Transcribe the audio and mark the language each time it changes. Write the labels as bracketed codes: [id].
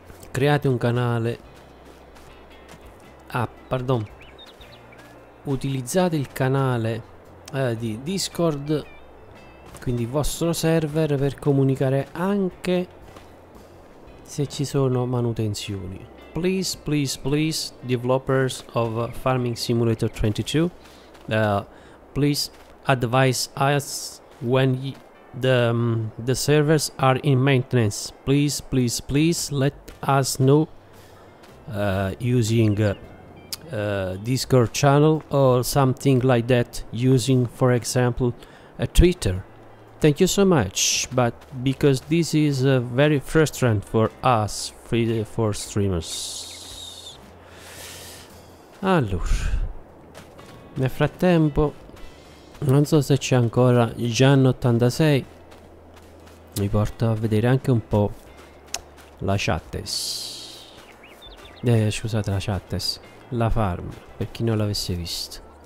[it] create un canale, utilizzate il canale di Discord, quindi il vostro server, per comunicare anche se ci sono manutenzioni. [en] Please, please, please, developers of Farming Simulator 22, please advise us when the servers are in maintenance. Please, please, please let us know using Discord channel or something like that, using for example a Twitter. Thank you so much, but because this is very frustrating for us, for streamers. [it] Allora, nel frattempo, non so se c'è ancora Gian86, mi porto a vedere anche un po' la chattes. Scusate, la chattes, la farm, per chi non l'avesse visto.